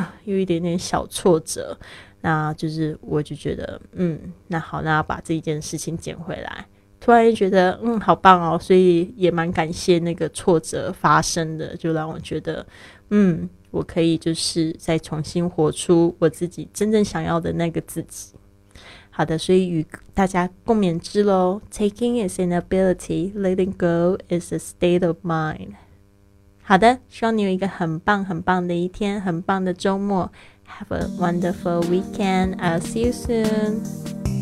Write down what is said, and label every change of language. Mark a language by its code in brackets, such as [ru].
[zh] 有一点点小挫折，那就是我就觉得那好，那要把这一件事情捡回来，突然觉得好棒哦。所以也蛮感谢那个挫折发生的，就让我觉得我可以就是再重新活出我自己真正想要的那个自己。好的，所以与大家共勉之咯。 [en] Taking is an ability, letting go is a state of mind。 [zh] 好的，希望你有一个很棒很棒的一天，很棒的周末。 [en] Have a wonderful weekend, I'll see you soon.